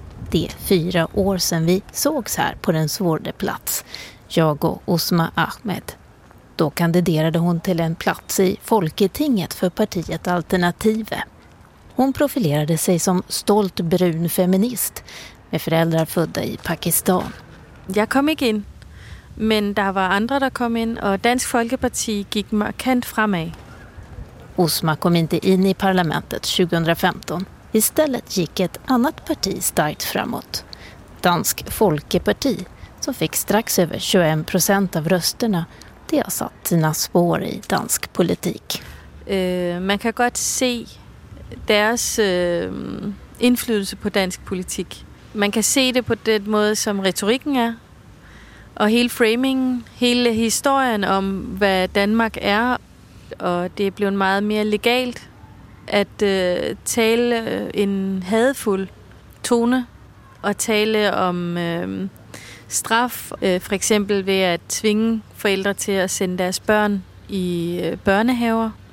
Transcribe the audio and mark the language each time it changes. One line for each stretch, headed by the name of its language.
Swedish: Det är 4 år sedan vi sågs här på den svårde plats, jag och Osma Ahmed. Då kandiderade hon till en plats i Folketinget för partiet Alternative. Hon profilerade sig som stolt brun feminist med föräldrar födda i Pakistan. Jag kom inte in.
Danish: Men der var andre, der kom ind, og Dansk Folkeparti gik markant fremad.
Swedish: Osma kom inte in i parlamentet 2015. Istället gick ett annat parti starkt framåt. Dansk Folkeparti, som fick strax över 21% av rösterna, det har satt sina spår i dansk politik.
Danish: Man kan godt se deres indflydelse på dansk politik. Man kan se det på den måde, som retorikken er, og hele framingen, hele historien om, hvad Danmark er, og det er blevet meget mere legalt at tale en hadefuld tone og tale om straf, for eksempel ved at tvinge forældre til at sende deres børn i børnehaver.